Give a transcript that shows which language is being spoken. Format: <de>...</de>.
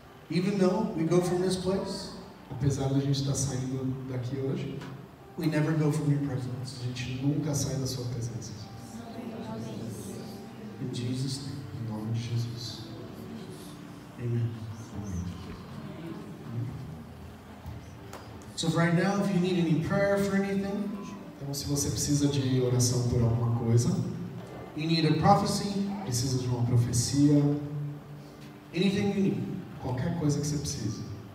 <en>Even though we go from this place,</en> <pt>apesar de a gente estar saindo daqui hoje,</pt> <en>we never go from your presence.</en> <pt>A gente nunca sai da sua presença.</pt> <en>In Jesus' name.</en> <pt>Em nome de Jesus.</pt> <en>Amen.</en> <pt>Amen.</pt> <en>So right now, if you need any prayer for anything,</en> <pt>então se você precisa de oração por alguma coisa,</pt> <en>you need a prophecy,</en> <pt>precisa de uma profecia,</pt> <en>anything you need,</en> <pt>qualquer coisa que você precise,</pt>